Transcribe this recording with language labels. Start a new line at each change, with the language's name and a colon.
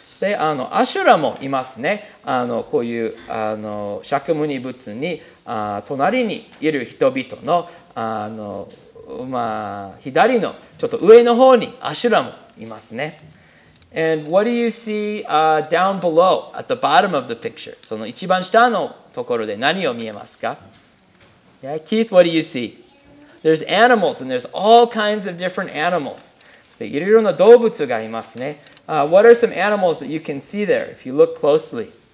Japanese: で、アシュラもいますね。こういう釈迦仏に隣にいる人々の左のちょっと上の方にアシュラもいますね。
English: And what do you see down below at the bottom of the picture?
Japanese: その一番下のところで何を見えますか?
English: Yeah, Keith, what do you see? There's animals, and there's all kinds of different animals.
Japanese: いろいろな動物がいますね。
English: What are some animals that you can see there, if you look closely?